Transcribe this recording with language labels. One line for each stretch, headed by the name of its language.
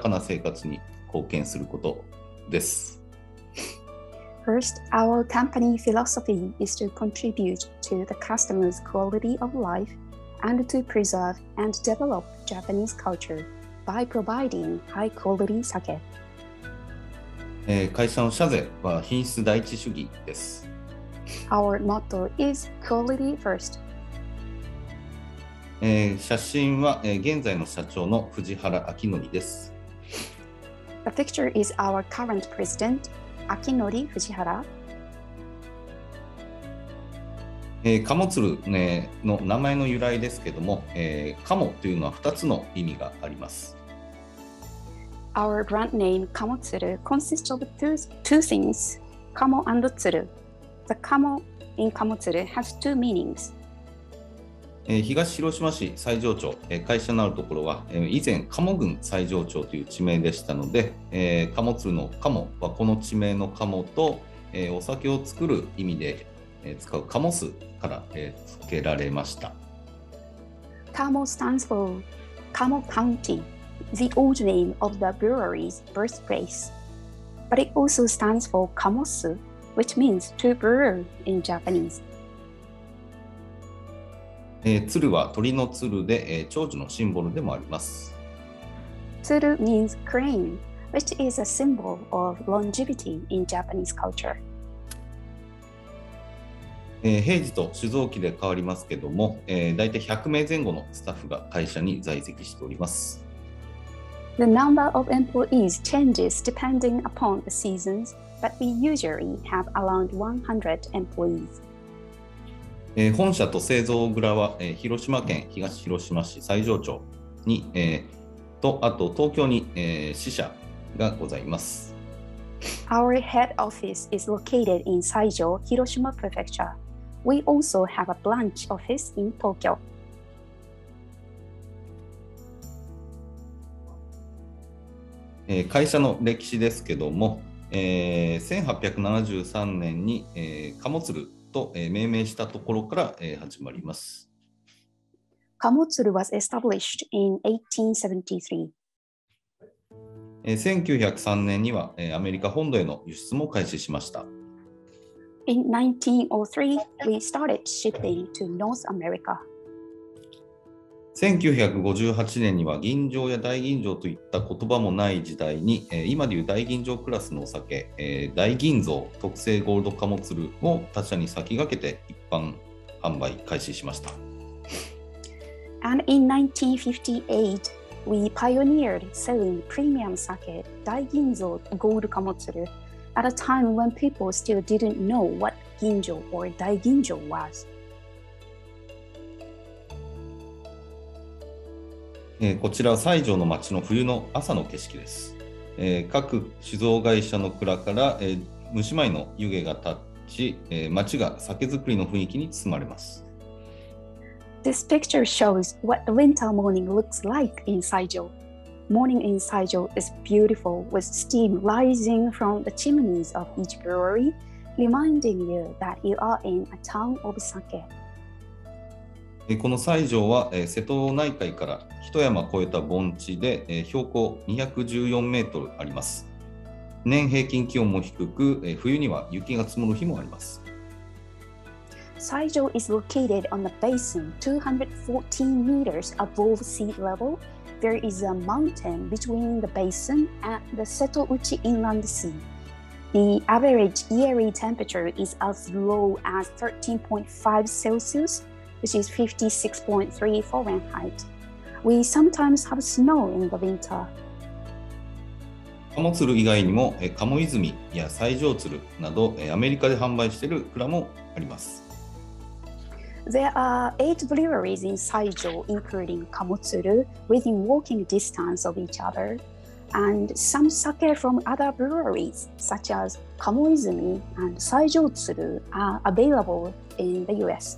Japanese: カモツルの会社の経営理念は価値ある、そして安心安全なお酒をお届けすることを通じて日本文化を守り育て、お客様の心豊かな生活に貢献することです。
English: First, our company philosophy is to contribute to the customer's quality of life and to preserve and develop Japanese culture by providing high quality sake.
Japanese: 会社の社是は品質第一主義です。
English: Our motto is quality first.
Japanese: 写真は現在の社長の藤原明則です。
English: The picture is our current president, 明則藤原。
Japanese: カモツルの名前の由来ですけども、カモというのは2つの意味があります。
English: Our brand name Kamotsuru consists of two things, Kamo and Tsuru. The Kamo in Kamotsuru has two meanings.
Japanese: 東広島市西条町、会社のあるところは、以前カモ郡西条町という地名でしたので、カモツルのカモはこの地名のカモと、お酒を作る意味で使うカモスから付けられました。
English: カモ stands for カモ county. The old name of the brewery's birthplace. But it also stands for Kamotsu, which means to brew in Japanese.
Japanese: Tsuru は鳥のツルで、長寿のシンボルでもあります。
English: Tsuru means crane, which is a symbol of longevity in Japanese culture.
Japanese: 平時と酒造期で変わりますけども、大体100名前後のスタッフが会社に在籍しております。
English: The number of employees changes depending upon the seasons, but we usually have around 100 employees.
Japanese: 本社と製造蔵は広島県東広島市西条町に、とあと東京に、支社がございます。
English: Our head office is located in 西条 Hiroshima Prefecture. We also have a branch office in Tokyo.
Japanese: 会社の歴史ですけども、1873年に、カモツルと、命名したところから、始まります。
English: カモツル was established in 1873.
Japanese: 1903年には、アメリカ本土への輸出も開始しました。
English: In 1903, we started shipping to North America.
Japanese: 1958年には吟醸や大吟醸といった言葉もない時代に、今でいう大吟醸クラスのお酒、大吟醸特製ゴールドカモツルを他社に先駆けて一般販売開始しました。
English: And in 1958, we pioneered selling premium sake, 大吟醸 gold kamotsuru, at a time when people still didn't know what 吟醸 or 大吟醸 was.
Japanese: こちらは西条の町の冬の朝の景色です。各酒造会社の蔵から蒸し米の湯気が立ち、町が酒造りの雰囲気に包まれます。
English: This picture shows what the winter morning looks like in 西条. Morning in 西条 is beautiful with steam rising from the chimneys of each brewery, reminding you that you are in a town of sake.
Japanese: この西条は瀬戸内海から一山越えた盆地で標高214メートルあります。年平均気温も低く、冬には雪が積もる日もあります。
English: 西条 is located on a basin 214 meters above sea level. There is a mountain between the basin and the Seto Uchi Inland Sea. The average yearly temperature is as low as 13.5 Celsius. Which is 56.3 Fahrenheit. We sometimes have snow in the winter.
Japanese: カモツル以外にもカモイズミや西条ツルなどアメリカで販売している蔵もあります。
English: There are eight breweries in 西条 including カモツル within walking distance of each other, and some sake from other breweries such as カモイズミ and 西条ツル are available in the U.S.